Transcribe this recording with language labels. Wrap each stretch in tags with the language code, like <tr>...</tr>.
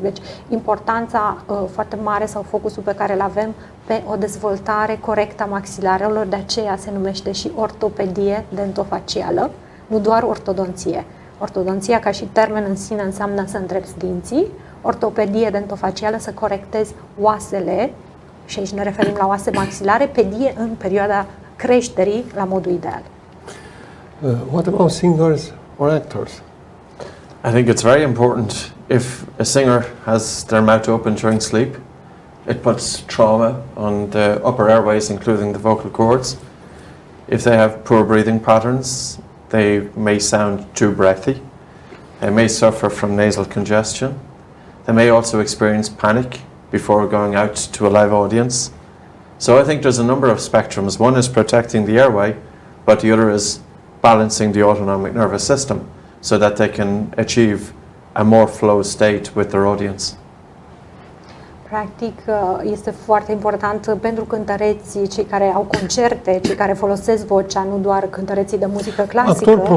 <ro>Deci importanța foarte mare sau focusul pe care îl avem pe o dezvoltare corectă a maxilarelor, de aceea se numește și ortopedie dentofacială, nu doar ortodonție. Ortodonția ca și termen în sine înseamnă să îndrepți dinții, ortopedie dentofacială să corectezi oasele și aici ne referim la oase maxilare, pedie în perioada creșterii la modul ideal.</ro> <en>What about singers or actors? I think it's very important if a singer has their mouth open during sleep. It puts trauma on the upper airways, including the vocal cords. If they have poor breathing patterns, they may sound too breathy. They may suffer from nasal congestion. They may also experience panic before going out to a live audience. So I think there's a number of spectrums. One is protecting the airway, but the other is balancing the autonomic nervous system so that they can achieve a more flow state with their audience.</en> <ro>Practic, este foarte important pentru cântăreții, cei care au concerte, cei care folosesc vocea, nu doar cântăreții de muzică clasică.</ro>